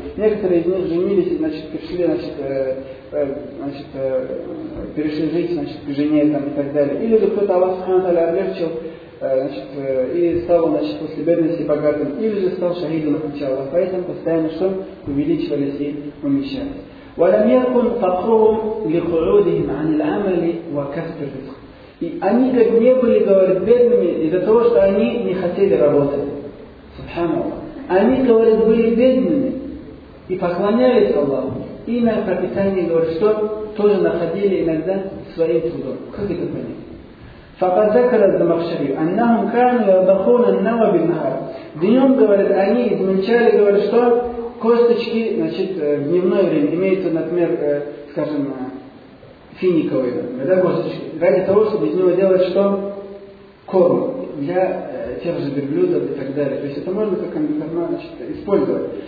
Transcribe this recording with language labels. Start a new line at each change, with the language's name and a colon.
Russian: Некоторые из них женились, значит, пришли, значит, перешли жить, значит, к жене там, и так далее. Или же кто-то Аллах Субхану Тааля облегчил, значит, и стал, значит, после бедности богатым, или же стал шахидом на пути Аллаха. Поэтому постоянно что? Увеличивались и уменьшались.
Arabic: ولم يكن فخرهم لخروجهم عن العمل وكسب الرزق.
Russian: И они как не были, говорят, бедными из-за того, что они не хотели работать. Субхан Аллах. Они, говорят, были бедными и поклонялись Аллаху. И на пропитание, говорят, что тоже находили иногда свои трудом. Как это понять?
Arabic: فقد ذكر الزمخشري أنهم كانوا يضخون النوى بالنهار.
Russian: Днем, говорят, они измельчали, говорят, что косточки, значит, в дневное время имеются, например, скажем, финиковые, да, косточки, ради того, чтобы из него делать что? Корм для тех же верблюдов и так далее. То есть это можно как амбитерма, значит, использовать.